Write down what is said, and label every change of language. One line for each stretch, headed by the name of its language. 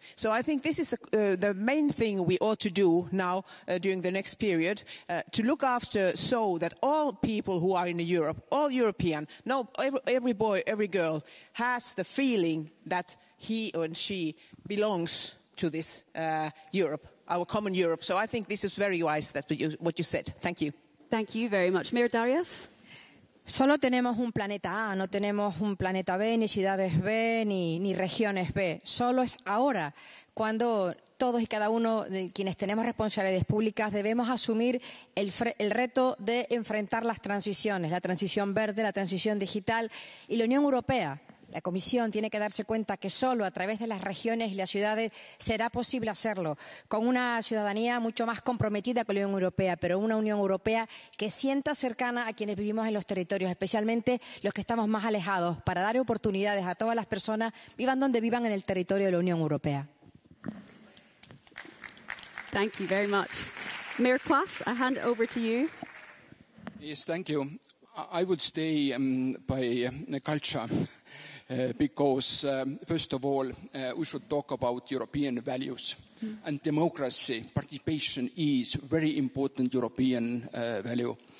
English: So I think this is the main thing we ought to do now during the next period, to look after so that all people who are in Europe, all European, every boy, every girl, has the feeling that he or she belongs to this Europe, our common Europe. So I think this is very wise, what you said. Thank you. Thank you very much. Mayor Darius?
Spanish: Solo tenemos un planeta A, no tenemos un planeta B, ni ciudades B, ni regiones B. Solo es ahora cuando todos y cada uno de quienes tenemos responsabilidades públicas debemos asumir el reto de enfrentar las transiciones, la transición verde, la transición digital. Y la Unión Europea, la Comisión, tiene que darse cuenta que solo a través de las regiones y las ciudades será posible hacerlo, con una ciudadanía mucho más comprometida con la Unión Europea, pero una Unión Europea que sienta cercana a quienes vivimos en los territorios, especialmente los que estamos más alejados, para dar oportunidades a todas las personas, vivan donde vivan en el territorio de la Unión Europea.
English: Thank you very much. Mayor Klaas, I hand it over to you. Yes, thank you. I would stay by culture. Because first of all, we should talk about European values. Mm. And democracy, participation is very important European value.